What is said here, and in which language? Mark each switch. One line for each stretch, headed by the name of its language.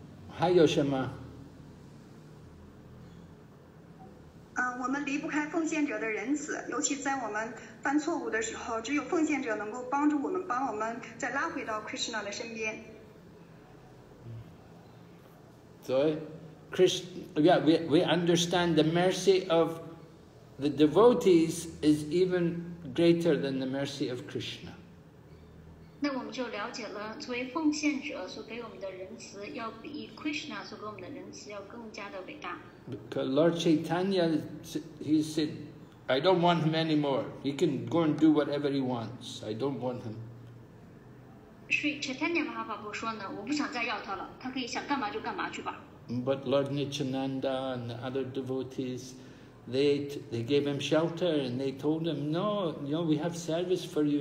Chinese: 还有什么？我们离不开奉献者的仁慈，尤其在我们犯错误的时候，只有奉献者能够帮助我们，把我们再拉回到 Krishna 的身边。所以
English: ，Krishna，we understand the mercy of the devotees is even greater than the mercy of Krishna。
Chinese: 那我们就了解了，作为奉献者所给我们的仁慈，要比 Krishna 所给我们的仁慈要更加的伟大。
English: Because Lord Chaitanya, he said, I don't want him anymore. He can go and do whatever he wants. I don't want him.
Chinese: Sri Chaitanya Mahaprabhu 说呢，我不想再要他了，他可以想干嘛就干嘛去吧。
English: But Lord Nityananda and the other devotees, they gave him shelter and they told him, no, you know, we have service for you.